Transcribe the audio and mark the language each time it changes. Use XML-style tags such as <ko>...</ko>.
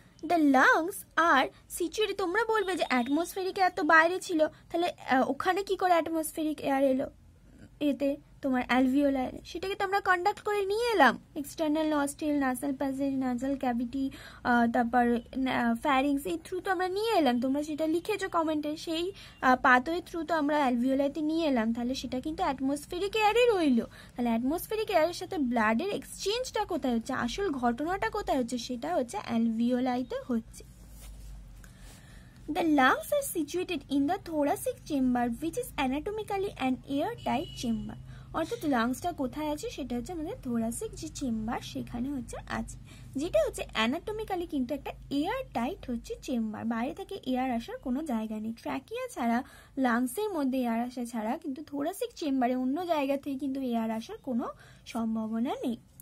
<en>the lungs are situated,</en> <bn>তোমরা বলবে যে অ্যাটমসফেরিক এয়ার তো বাইরে ছিল, তাহলে ওখানে কি করে অ্যাটমসফেরিক এয়ার এলো, এতে তোমার অ্যালভিওলাই, সেটাকে তো আমরা কন্ডাক্ট করে নিয়ে এলাম, external nostril, nasal passage, nasal cavity, তারপর ফ্যারিংস, এই থ্রু তো আমরা নিয়ে এলাম, তোমরা সেটা লিখেছো কমেন্টে, সেই পাথওয়ের থ্রু তো আমরা অ্যালভিওলাইতে নিয়ে এলাম, তাহলে সেটা কিন্তু অ্যাটমসফেরিক এয়ারই রইলো। তাহলে অ্যাটমসফেরিক এয়ারের সাথে ব্লাডের এক্সচেঞ্জটা কোথায় হচ্ছে, আসল ঘটনাটা কোথায় হচ্ছে, সেটা হচ্ছে অ্যালভিওলাইতে হচ্ছে।</bn> <en>The lungs are situated in the thoracic chamber, which is anatomically an airtight chamber.</en> <bn>অর্থাৎ লাংসটা কোথায় আছে, সেটা হচ্ছে আমাদের থোরাসিক যে চেম্বার সেখানে হচ্ছে আছে, যেটা হচ্ছে অ্যানাটমিক্যালি কিন্তু একটা এয়ার টাইট হচ্ছে চেম্বার, বাইরে থেকে এয়ার আসার কোনো জায়গা নেই, ট্র্যাকিয়া ছাড়া, লাংসের মধ্যে এয়ার আসা ছাড়া কিন্তু থোরাসিক চেম্বারে অন্য জায়গা থেকে কিন্তু এয়ার আসার কোনো সম্ভাবনা নেই।</bn>